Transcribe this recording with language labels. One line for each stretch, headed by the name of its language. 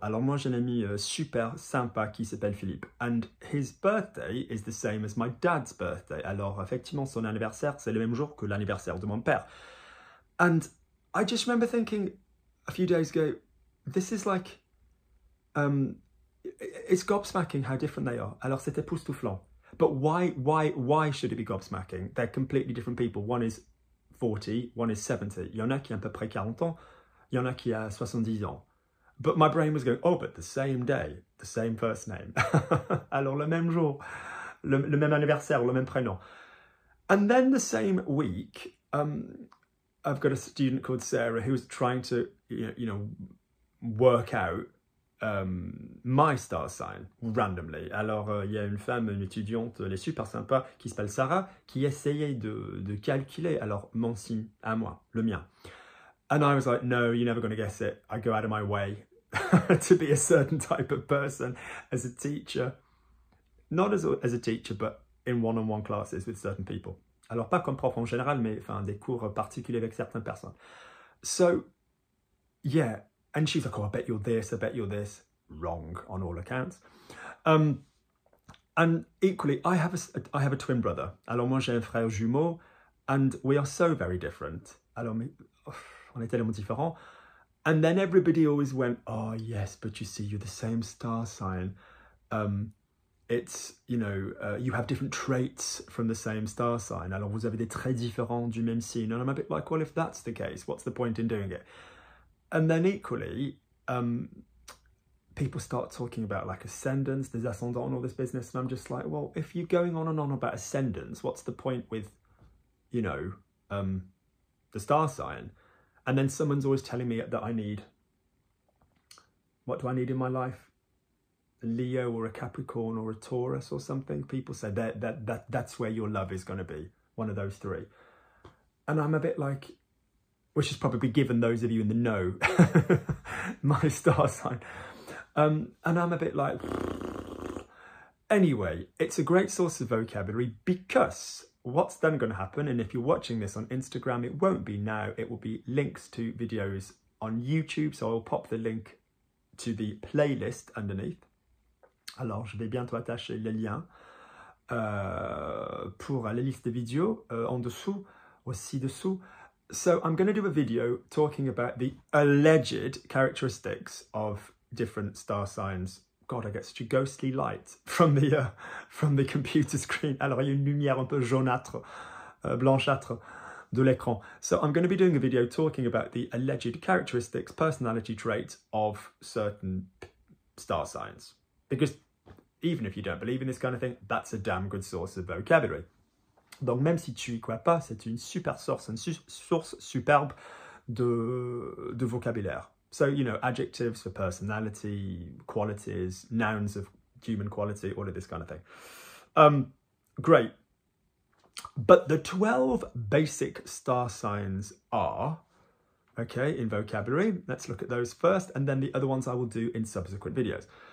French: Alors moi, j'ai un ami super sympa qui s'appelle Philippe.
English: And his birthday is the same as my dad's birthday.
French: Alors effectivement, son anniversaire, c'est le même jour que l'anniversaire de mon père.
English: And I just remember thinking a few days ago, this is like, it's gobsmacking how different they are.
French: Alors c'était époustouflant.
English: But why should it be gobsmacking? They're completely different people. One is 40, one is 70.
French: Il y en a qui ont à peu près 40 ans. Il y en a qui a 70 ans.
English: But my brain was going, oh, but the same day, the same first name.
French: Alors, le même jour, le même anniversaire, le même prénom.
English: And then the same week, I've got a student called Sarah who was trying to, you know, work out my star sign, randomly.
French: Alors, il y a une femme, une étudiante, elle est super sympa, qui s'appelle Sarah, qui essayait de calculer, alors, mon signe à moi, le mien.
English: And I was like, no, you're never going to guess it. I go out of my way to be a certain type of person as a teacher. Not as a teacher, but in one-on-one classes with certain people.
French: Alors, pas comme prof en général, mais enfin, des cours particuliers avec certaines personnes.
English: So, yeah. And she's like, oh, I bet you're this. Wrong on all accounts. And equally, I have a twin brother.
French: Alors, moi, j'ai un frère jumeau.
English: And we are so very different.
French: Alors, mais... On est tellement différents.
English: And then everybody always went, oh yes, but you see, you're the same star sign. You have different traits from the same star sign.
French: Alors, vous avez des traits différents du même signe.
English: And I'm a bit like, well, if that's the case, what's the point in doing it? And then equally, people start talking about like ascendants, des ascendants and all this business. And I'm just like, well, if you're going on and on about ascendants, what's the point with, you know, the star sign? And then someone's always telling me that I need, what do I need in my life? A Leo or a Capricorn or a Taurus or something. People say that's where your love is going to be, one of those three. And I'm a bit like, which is probably given those of you in the know, my star sign. And I'm a bit like, anyway, it's a great source of vocabulary because... What's then going to happen, and if you're watching this on Instagram, it won't be now, it will be links to videos on YouTube, so I'll pop the link to the playlist underneath.
French: Alors, je vais bientôt attacher les liens pour la liste de vidéos en dessous, ou ci-dessous.
English: So, I'm going to do a video talking about the alleged characteristics of different star signs. God, I get such a ghostly light from the computer screen.
French: Alors, il y a une lumière un peu jaunâtre, blanchâtre de l'écran.
English: So, I'm going to be doing a video talking about the alleged characteristics, personality traits of certain star signs. Because even if you don't believe in this kind of thing, that's a damn good source of vocabulary.
French: Donc, même si tu y crois pas, c'est une super source, une source superbe de vocabulaire.
English: So, you know, adjectives for personality, qualities, nouns of human quality, all of this kind of thing. Great. But the 12 basic star signs are, okay, in vocabulary. Let's look at those first, and then the other ones I will do in subsequent videos.